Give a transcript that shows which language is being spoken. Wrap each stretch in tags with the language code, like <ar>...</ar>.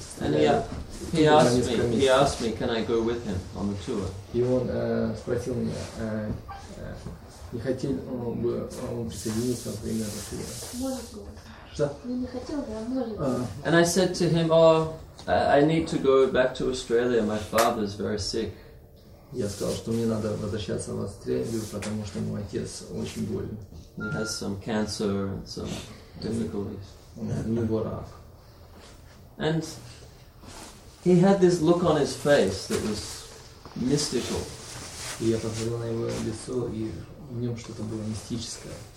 <en>And he asked me, can I go with him on the tour?</en> <ru>И он спросил меня, не хотел бы он присоединиться, например, на тур. Может,</ru> <en>And I said to him, oh, I need to go back to Australia. My father is very sick.</en> <ru>Я сказал, что мне надо возвращаться в Австралию, потому что мой отец очень болен.</ru> <en>He has some cancer and some difficulties.</en> <ru>У него рак.</ru> <en>And he had this look on his face that was mystical.</en> <ru>И я посмотрел на его лицо, и в нем что-то было мистическое.</ru>